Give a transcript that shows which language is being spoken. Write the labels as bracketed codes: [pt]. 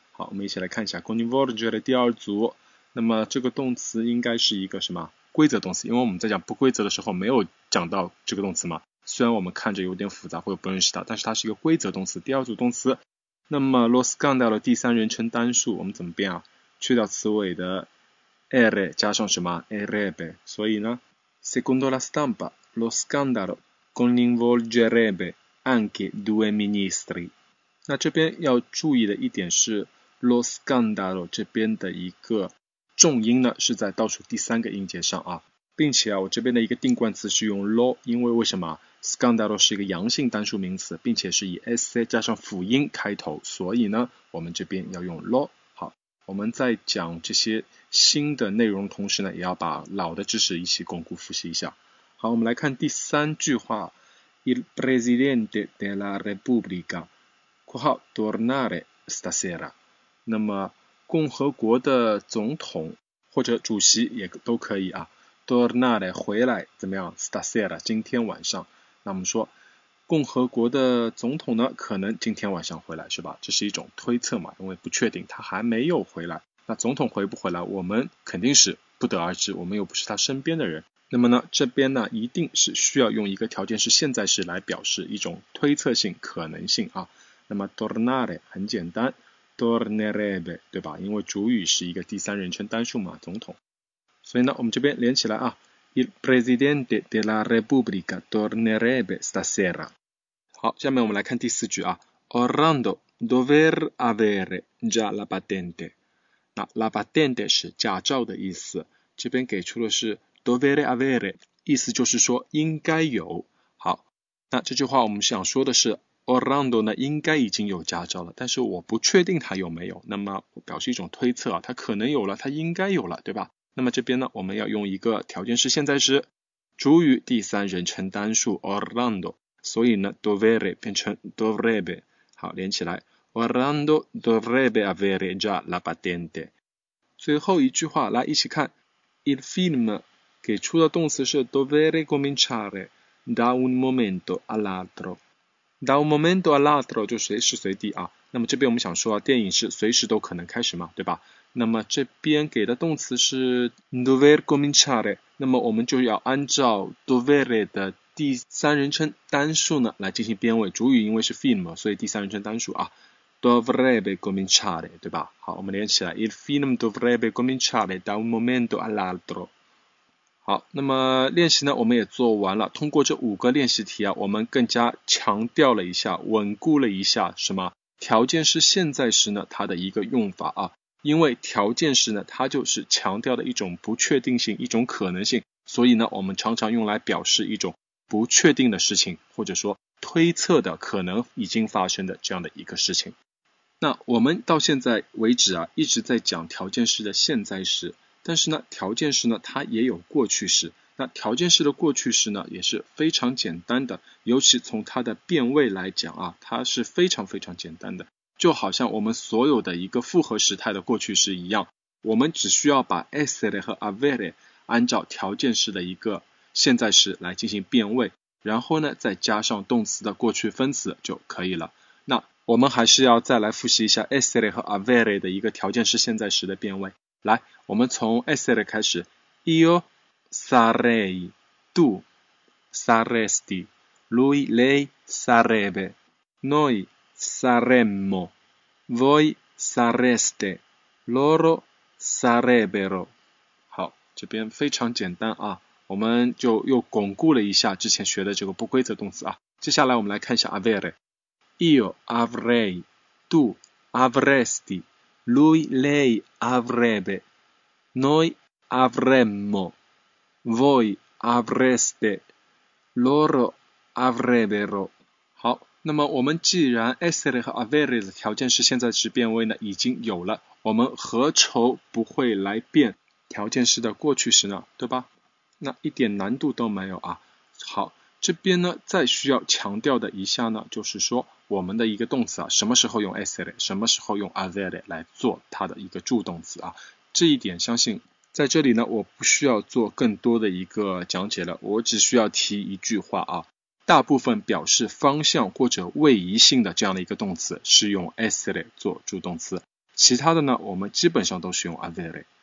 [zh] 好，我们一起来看一下 coinvolgere 第二组。那么这个动词应该是一个什么规则动词，因为我们在讲不规则的时候没有讲到这个动词嘛，虽然我们看着有点复杂或者不认识它，但是它是一个规则动词，第二组动词。那么 lo scandalo 第三人称单数我们怎么变啊？去掉词尾的 [it] ere [zh] 加上什么 [it] erebbe， [zh] 所以呢 [it] secondo la stampa lo scandalo coinvolgerebbe anche due ministri。 [zh] 那这边要注意的一点是 lo scandalo 这边的一个重音呢是在倒数第三个音节上啊，并且啊，我这边的一个定冠词是用 lo， 因为为什么 scandalo 是一个阳性单数名词，并且是以 s 加上辅音开头，所以呢，我们这边要用 lo。好，我们在讲这些新的内容同时呢，也要把老的知识一起巩固复习一下。好，我们来看第三句话 ， [it] il presidente della Repubblica [zh] （括号 [it] tornare stasera）。 [zh] 那么，共和国的总统或者主席也都可以啊。 Tornare 回来怎么样 ？Stasera 今天晚上，那我们说，共和国的总统呢，可能今天晚上回来是吧？这是一种推测嘛，因为不确定他还没有回来。那总统回不回来，我们肯定是不得而知，我们又不是他身边的人。那么呢，这边呢一定是需要用一个条件式现在式来表示一种推测性可能性啊。那么 tornare 很简单， tornerebbe 对吧，因为主语是一个第三人称单数嘛，总统。所以呢我们这边连起来啊， [it] il presidente della Repubblica tornerebbe stasera。 [zh] 好，下面我们来看第四句啊， [it] orando dover avere già la patente。 [zh] 那 la patente 是驾照的意思，这边给出的是 [it] dovere avere， [zh] 意思就是说应该有。好，那这句话我们想说的是Orlando 呢应该已经有驾照了，但是我不确定他有没有，那么我表示一种推测啊，他可能有了，他应该有了，对吧？那么这边呢我们要用一个条件式现在时，主语第三人称单数 Orlando， 所以呢 dovere 变成 dovrebbe。好，连起来， [it] Orlando dovrebbe avere già la patente。 [zh] 最后一句话来一起看， il film 给出的动词是 [it] dovere cominciare da un momento all'altro。 Da un momento all'altro [zh] 就随时随地啊，那么这边我们想说啊，电影是随时都可能开始嘛，对吧？那么这边给的动词是 [it] dover cominciare， [zh] 那么我们就要按照 dovere 的第三人称单数呢来进行编位，主语因为是 film， 所以第三人称单数啊 [it] dovrebbe cominciare， [zh] 对吧？好，我们连起来， [it] il film dovrebbe cominciare da un momento all'altro。 [zh] 好，那么练习呢我们也做完了，通过这五个练习题啊，我们更加强调了一下，稳固了一下什么条件式现在时呢它的一个用法啊，因为条件式呢它就是强调的一种不确定性，一种可能性，所以呢我们常常用来表示一种不确定的事情，或者说推测的可能已经发生的这样的一个事情。那我们到现在为止啊一直在讲条件式的现在时，但是呢条件式呢它也有过去式，那条件式的过去式呢也是非常简单的，尤其从它的变位来讲啊，它是非常非常简单的，就好像我们所有的一个复合时态的过去式一样，我们只需要把 essere 和 avere 按照条件式的一个现在时来进行变位，然后呢再加上动词的过去分词就可以了。那我们还是要再来复习一下 essere 和 avere 的一个条件式现在时的变位。来，我们从 [it] essere [zh] 开始， [it] io sarei, tu saresti, lui, lei sarebbe, noi saremmo, voi sareste, loro sarebbero。 [zh] 好，这边非常简单啊，我们就又巩固了一下之前学的这个不规则动词啊。接下来我们来看一下 [it] avere， io avrei, tu avresti, lui, lei avrebbe,Noi avremmo, voi avreste, loro avrebbero。 [zh] 好，那么我们既然 essere 和 avere 的条件式现在时变位呢已经有了，我们何愁不会来变条件式的过去时呢，对吧？那一点难度都没有啊。好，这边呢再需要强调的一下呢，就是说我们的一个动词啊，什么时候用 essere， 什么时候用 avere 来做它的一个助动词啊，这一点相信在这里呢我不需要做更多的一个讲解了，我只需要提一句话啊，大部分表示方向或者位移性的这样的一个动词是用 essere 做助动词，其他的呢我们基本上都是用 avere。